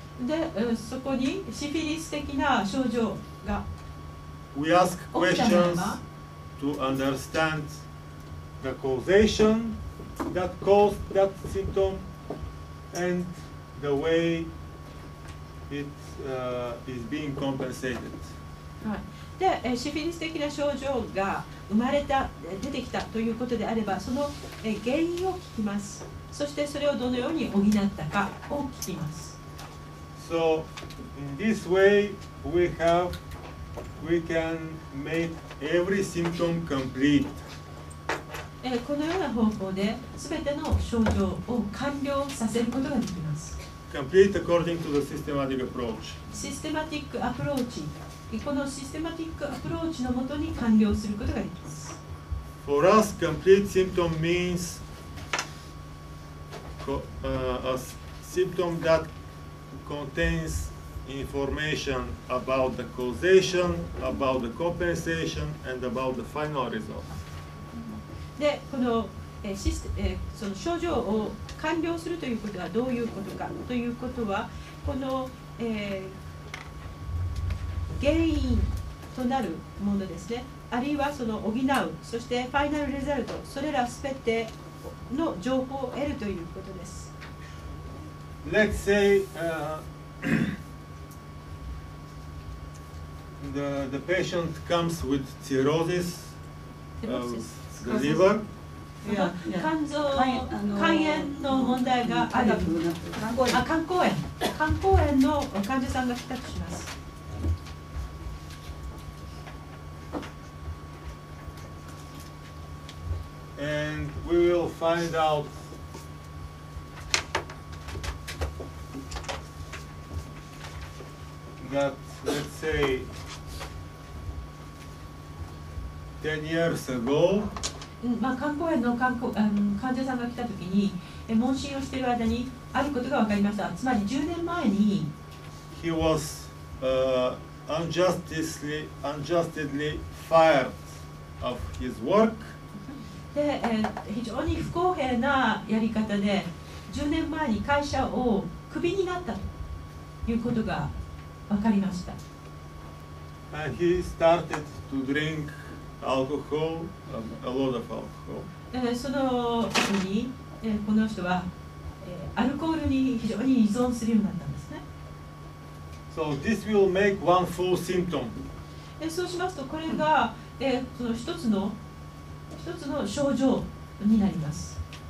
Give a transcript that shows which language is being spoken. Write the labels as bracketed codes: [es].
[ja] でそこにシフィリス的な症状が、 [en] we ask questions to understand the causation that caused that symptom and the way it is being compensated. [ja] はい。でシフィリス的な症状が生まれた出てきたということであれば、その原因を聞きます。そしてそれをどのように補ったかを聞きます。 [en] So in this way we can make every symptom complete。 [ja] このような方法で全ての症状を完了させることができます。 [en] Complete according to the systematic approach。 Systematic approach。 [ja] このシステマティックアプローチのもとに完了することができます。 [en] For us, complete symptom means a symptom that contains information about the causation, about the compensation, and about the final result. [ja] で、このその症状を完了するということはどういうことかということは、この原因となるものですね、あるいはその補う、そしてファイナルリザルト、それらすべての情報を得るということです。 [en] Let's say the patient comes with cirrhosis of the liver。 [ja] 肝臓、肝炎の問題がある、肝硬炎の患者さんが帰宅します。 [en] And we will find out that, let's say, 10 years ago, [ja] 肝硬炎の患者さんが来た時に、問診をしている間にあることが分かりました。つまり10年前に、 [en] he was unjustly fired of his work. [ja] で非常に不公平なやり方で10年前に会社をクビになったということが分かりました。 [en] And he started to drink alcohol, a lot of alcohol. [ja] その時にこの人はアルコールに非常に依存するようになったんですね。 So this will make one full symptom. そうしますとこれがその一つの症状になります。